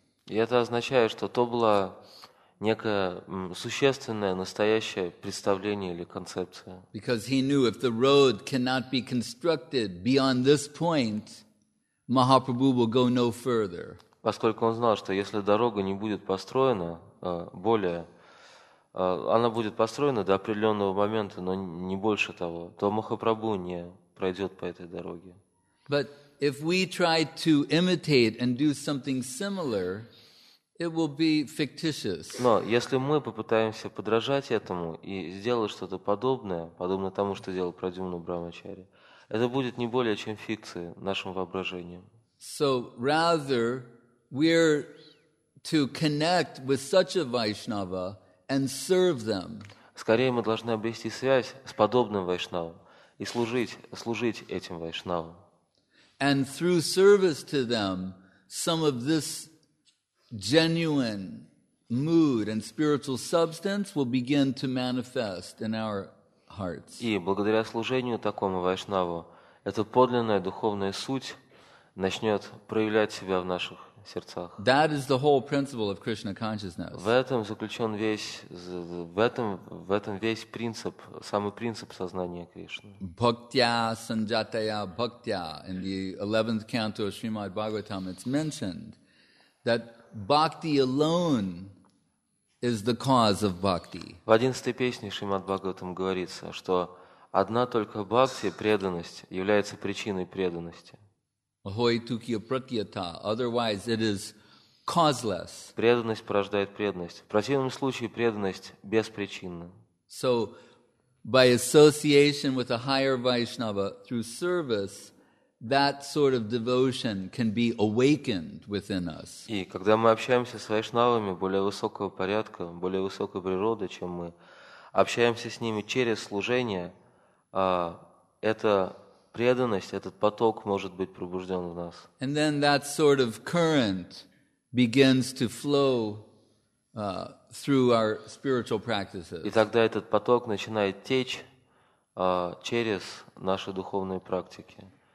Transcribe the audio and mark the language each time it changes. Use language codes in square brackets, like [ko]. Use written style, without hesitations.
[ru] И это означает, что то было некое существенное, настоящее представление или концепция. [en] Because he knew if the road cannot be constructed beyond this point, Mahaprabhu will go no further. [ru] Поскольку он знал, что если дорога не будет построена более, она будет построена до определенного момента, но не больше того, то Махапрабху не пройдет по этой дороге. [en] But if we try to imitate and do something similar, it will be fictitious. [ru] Но если мы попытаемся подражать этому и сделать что-то подобное, подобно тому, что делал Прадюмна Брахмачарья, это будет не более чем фикция нашим воображением. [en] So rather we're to connect with such a Vaishnava and serve them. [ru] Скорее мы должны обрести связь с подобным Вайшнавом и служить этим Вайшнавам. [en] And through service to them, some of this genuine mood and spiritual substance will begin to manifest in our hearts. [ru] И благодаря служению такому вайшнаву, эта подлинная духовная суть начнет проявлять себя в наших сердцах. [en] That is the whole principle of Krishna consciousness. [ru] В этом заключен весь, в этом весь принцип, самый принцип сознания Кришны. [sa] Bhaktya sanjataya bhaktya. [en] In the 11th canto of Srimad Bhagavatam, it's mentioned that bhakti alone is the cause of bhakti. [ru] В 11-й песне Шримад Бхагаватам говорится, что одна только бхакти, преданность, является причиной преданности. [sa] Ahoy tukya pratyata. [en] Otherwise it is causeless. [ru] Преданность порождает преданность. В противном случае преданность беспричинна. [en] So by association with a higher Vaishnava through service, that sort of devotion can be awakened within us. [ru] И когда мы общаемся с вайшнавами более высокого порядка, более высокой природы, чем мы, общаемся с ними через служение, эта преданность, этот поток может быть пробужден в нас. [en] And then that sort of current begins to flow through our spiritual practices. [ru] И тогда этот поток начинает течь через наши духовные практики.